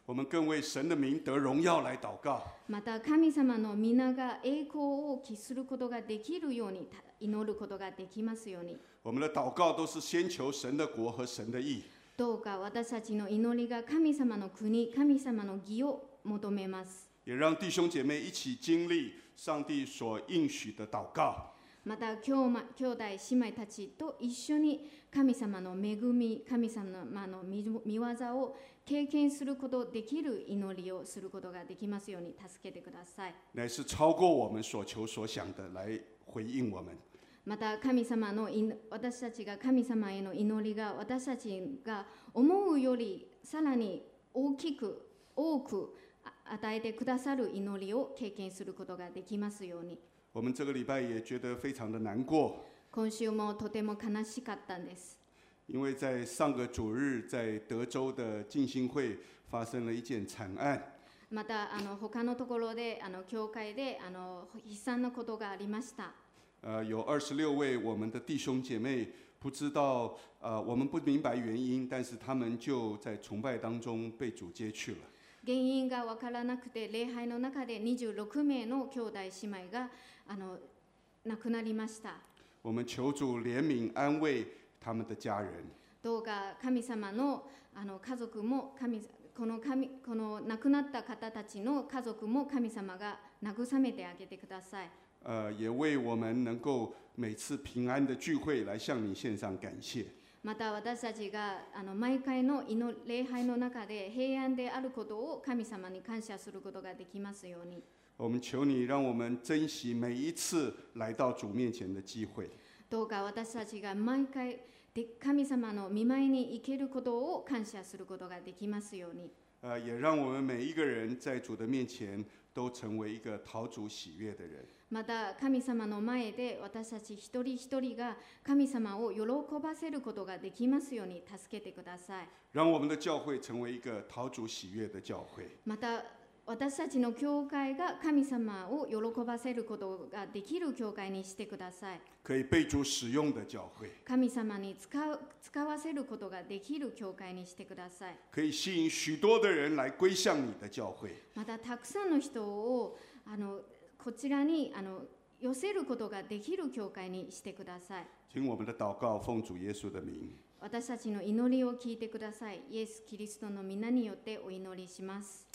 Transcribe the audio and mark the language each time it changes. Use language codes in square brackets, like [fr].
[zh] 我们更为神的名得荣耀来祷告。 [ja] また神様の皆が栄光を期することができるように祈ることができますように。 [zh] 我们的祷告都是先求神的国和神的义。 [ja] どうか私たちの祈りが神様の国、神様の義を求めます。 [zh] 也让弟兄姐妹一起经历上帝所应许的祷告。 [ja] また兄弟姉妹たちと一緒に神様の恵み、神様の御業を経験することできる祈りをすることができますように助けてください。 [zh] 乃是超过我们所求所想的来回应我们。 [ja] また神様の私たちが神様への祈りが私たちが思うよりさらに大きく多く与えてくださる祈りを経験することができますように。 [zh] 我们这个礼拜也觉得非常的难过。 [ja] 今週もとても悲しかったんです。 [zh] 因为在上个主日在德州的浸信会发生了一件惨案。 [ja] また他のところで教会で悲惨なことがありました。 [zh] 有26位我们的弟兄姐妹不知道我们不明白原因但是他们就在崇拜当中被主接去了。 [ja] 原因が分からなくて礼拝の中で26名の兄弟姉妹が亡くなりました。 [zh] 我们求主怜悯安慰他们的家人。 [ja] どうか神様の家族も神この亡くなった方たちの家族も神様が慰めてあげてください。 [zh] 也为我们能够每次平安的聚会来向你献上感谢。 [ja] また私たちが毎回の礼拝の中で平安であることを神様に感謝することができますように。 [zh] 我们求你让我们珍惜每一次来到主面前的机会。 [ja] どうか私たちが毎回神様の御前に行けることを感謝することができますように。 [zh] 也让我们每一个人在主的面前都成为一个讨主喜悦的人。 [ja] また神様の前で私たち一人一人が神様を喜ばせることができますように助けてください。 [zh] 让我们的教会成为一个讨主喜悦的教会。 [ja] また私たちの教会が神様を喜ばせることができる教会にしてください。 [zh] 可以被主使用的教会。 [ja] 神様に使わせることができる教会にしてください。 [zh] 可以吸引许多的人来归向你的教会。 [ja] またたくさんの人をこちらに寄せることができる教会にしてください。 [zh] 请我们的祷告奉主耶稣的名。 [ja] 私たちの祈りを聞いてください。イエス・キリストの名によってお祈りします。